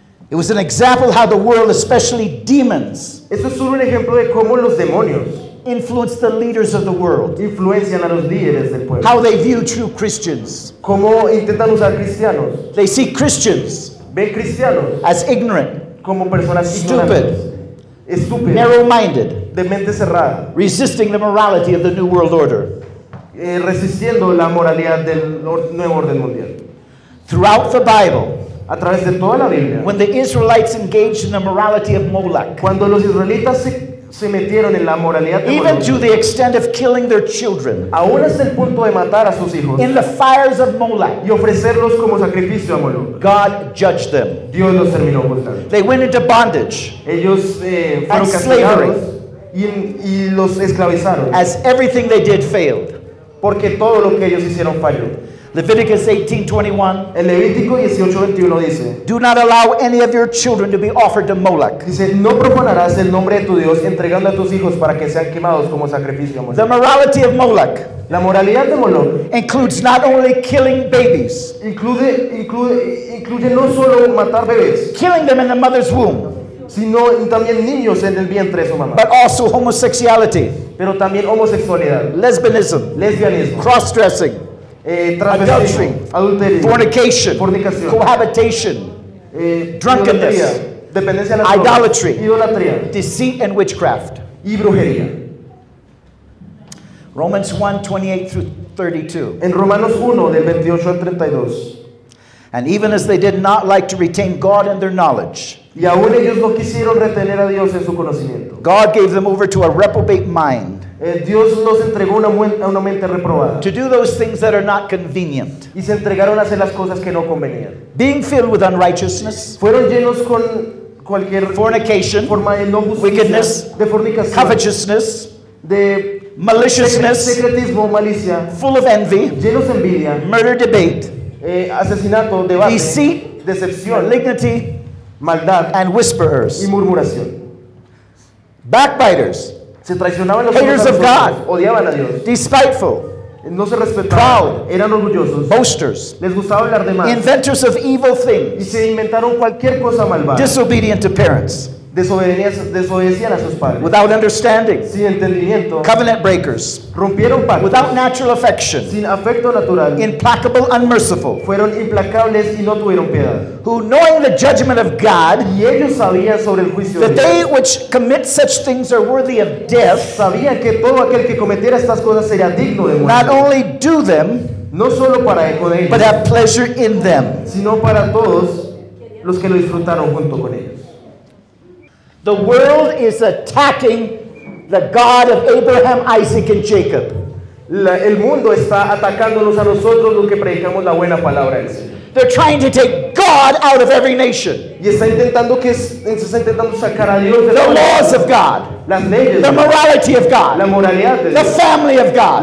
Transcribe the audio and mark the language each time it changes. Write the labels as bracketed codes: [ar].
[en] It was an example how the world, especially demons. [es] Eso es un ejemplo de cómo los demonios [en] influence the leaders of the world. [es] Influencian a los líderes del pueblo. [en] How they view true Christians. [es] Cómo intentan usar cristianos. [en] They see Christians. [es] Ven cristianos. [en] As ignorant. [es] Como personas [en] stupid. [es] Estúpidas. [en] Narrow-minded. [es] De mente cerrada. [en] Resisting the morality of the new world order. [es] Resistiendo la moralidad del nuevo orden mundial. [en] Throughout the Bible. [es] A través de toda la Biblia. [en] When the Israelites engaged in the morality of Moloch. [es] Cuando los israelitas se metieron en la moralidad de [en] Even Moloch, to the extent of killing their children. [es] Aún hasta el punto de matar a sus hijos. [en] In the fires of Moloch. [es] Y ofrecerlos como sacrificio a Moloch. [en] God judged them. [es] Dios los terminó juzgando. [en] They went into bondage. [es] Ellos fueron castigados. Y los esclavizaron. [en] As everything they did failed. [es] Porque todo lo que ellos hicieron falló. [en] Leviticus 18:21. [es] El Levítico 18:21 dice: [en] Do not allow any of your children to be offered to Moloch. [es] Dice: No profanarás el nombre de tu Dios entregando a tus hijos para que sean quemados como sacrificio a Moloch. [en] The morality of Moloch. [es] La moralidad de Moloch [en] includes not only killing babies. [es] Incluye no solo matar bebés. [en] Killing them in the mother's womb. [es] Sino también niños en el vientre de su mamá. [en] But also homosexuality. [es] Pero también homosexualidad. [en] Lesbianism. [es] Lesbianismo. [en] Cross-dressing. Adultery, [es] adulterio, [en] fornication, [es] fornicación, [en] cohabitation, drunkenness, [es] dependencia a la [en] idolatry, [es] idolatría, [en] deceit and witchcraft, [es] y brujería. [en] Romans 1:28-32. [es] En Romanos 1 del 28 al 32. [en] And even as they did not like to retain God in their knowledge. [es] Y aún ellos no quisieron retener a Dios en su conocimiento. [en] God gave them over to a reprobate mind. [es] Dios los entregó a una mente reprobada. [en] To do those things that are not convenient. [es] Y se entregaron a hacer las cosas que no convenían. [en] Being filled with unrighteousness. [es] Fueron llenos con cualquier [en] fornication, [es] forma de no justicia, [en] wickedness, [es] de fornicación, [en] covetousness, [es] de [en] maliciousness, [es] secretismo, malicia, [en] full of envy, [es] llenos de envidia, [en] murder, debate, [es] asesinato, debate, [en] deceit, [es] decepción, [en] malignity, [es] maldad, [en] and whisperers, [es] y murmuración. [en] Backbiters. [es] Se traicionaban los [en] haters of God, [es] odiaban a Dios, [en] despiteful, [es] no se respetaban, [en] proud, [es] eran orgullosos, [en] boasters, [es] les gustaba hablar de más, [en] inventors of evil things, [es] y se inventaron cualquier cosa malvada, [en] disobedient to parents, [es] desobedecían a sus padres, [en] without understanding, [es] sin entendimiento, [en] covenant breakers, [es] rompieron pactos, [en] without natural affection, [es] sin afecto natural, [en] implacable, unmerciful, [es] fueron implacables y no tuvieron piedad, [en] who knowing the judgment of God, [es] y ellos sabían sobre el juicio de Dios, [en] that they which commit such things are worthy of death, [es] sabían que todo aquel que cometiera estas cosas sería digno de muerte, [en] not only do them, [es] no solo para con ellos, [en] but have pleasure in them, [es] sino para todos los que lo disfrutaron junto con ellos. [en] The world is attacking the God of Abraham, Isaac, and Jacob. [es] El mundo está atacándonos a nosotros los que predicamos la buena palabra del Señor. [en] They're trying to take God out of every nation. [es] Y está intentando sacar a Dios de [en] the laws of God. [es] Las leyes. [en] The morality of God. [es] La moralidad de Dios. [en] The family of God.